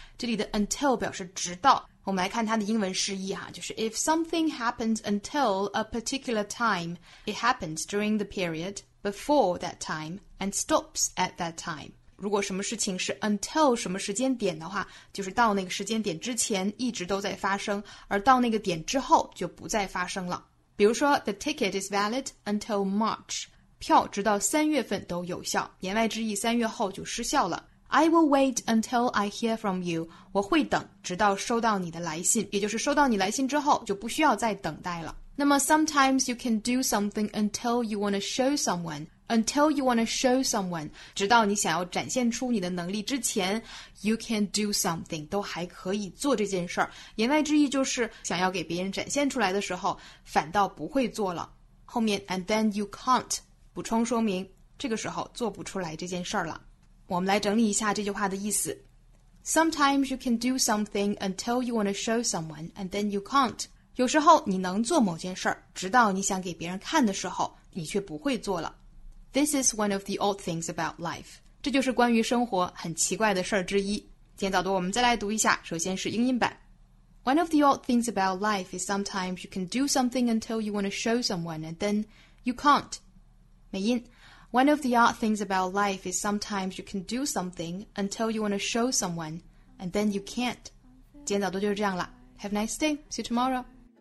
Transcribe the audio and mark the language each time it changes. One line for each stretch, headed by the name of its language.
Chinese: 这里的
English: until
Chinese: 表示直到，我们来看它的英文释义哈，就是
English: If something happens until a particular time, it happens during the period before that time and stops at that time.
Chinese: 如果什么事情是 until 什么时间点的话，就是到那个时间点之前一直都在发生，而到那个点之后就不再发生了。比如说
English: The ticket is valid until March.
Chinese: 票直到三月份都有效，言外之意三月后就失效了。
English: I will wait until I hear from you.
Chinese: 我会等直到收到你的来信，也就是收到你来信之后就不需要再等待了。那么
English: Sometimes you can do something until you want to show someoneUntil you want to show someone,
Chinese: 直到你想要展现出你的能力之前
English: you can do something,
Chinese: 都还可以做这件事儿。言外之意就是想要给别人展现出来的时候反倒不会做了。后面
English: and then you can't,
Chinese: 补充说明这个时候做不出来这件事儿了。我们来整理一下这句话的意思。
English: Sometimes you can do something until you want to show someone, and then you can't.
Chinese: 有时候你能做某件事儿，直到你想给别人看的时候你却不会做了。
English: This is one of the odd things about life.
Chinese: 这就是关于生活很奇怪的事儿之一。今天早读我们再来读一下，首先是英音版。
English: One of the odd things about life is sometimes you can do something until you want to show someone and then you can't.
Chinese: 美音。
English: One of the odd things about life is sometimes you can do something until you want to show someone and then you can't. 今天早读就是这样了。Have a nice day. See you tomorrow.